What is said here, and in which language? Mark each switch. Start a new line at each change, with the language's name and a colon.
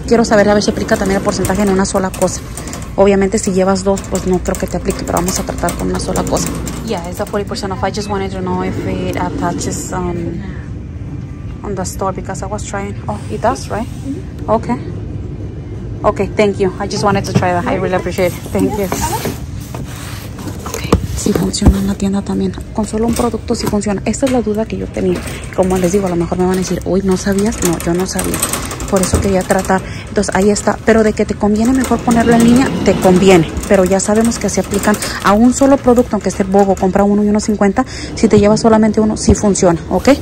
Spanish: Quiero saber a ver si aplica también el porcentaje en una sola cosa. Obviamente si llevas dos, pues no creo que te aplique, pero vamos a tratar con una sola cosa.
English: Yeah, it's a 40% off. I just wanted to know if it attaches on the store, because I was trying. Oh, it does, right? Mm-hmm. Okay. Okay, thank you. I just wanted to try that. I really appreciate it. Thank you.
Spanish: Si funciona en la tienda también, con solo un producto si funciona. Esta es la duda que yo tenía. Como les digo, a lo mejor me van a decir, uy, ¿no sabías? No, yo no sabía. Por eso quería tratar Entonces ahí está, pero de que te conviene mejor ponerlo en línea, te conviene, pero ya sabemos que se aplican a un solo producto, aunque esté bobo, compra uno y 1.50, si te llevas solamente uno, sí funciona, ¿ok?